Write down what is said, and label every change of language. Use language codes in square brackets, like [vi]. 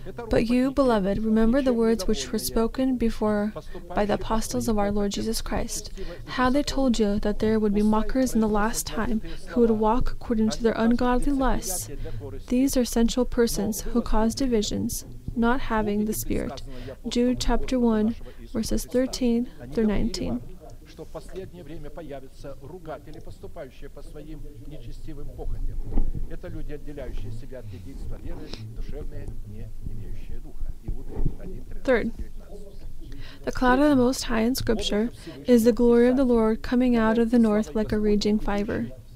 [en] But you, beloved, remember the words which were spoken before by the apostles of our Lord Jesus Christ, how they told you that there would be mockers in the last time who would walk according to their ungodly lusts. These are sensual persons who cause divisions, not having the Spirit." Jude chapter 1, verses 13 through 19. [ru] Что в последнее время появятся ругатели, поступающие по своим нечестивым похотям. Это люди, отделяющие себя от единства веры, душевные, не имеющие духа. Иуда 1:13-19. [en] The cloud of the Most High in Scripture is the glory of the Lord coming out of the north like a raging fire.